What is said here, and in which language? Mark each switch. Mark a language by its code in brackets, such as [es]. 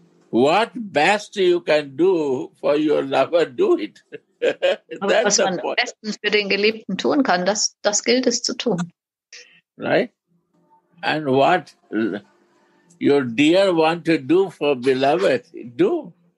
[en] What best you can do for your lover, do it. [de] Aber was man bestens für den Geliebten tun kann, das gilt es zu tun. [en] Right? And what your dear want to do for beloved, do.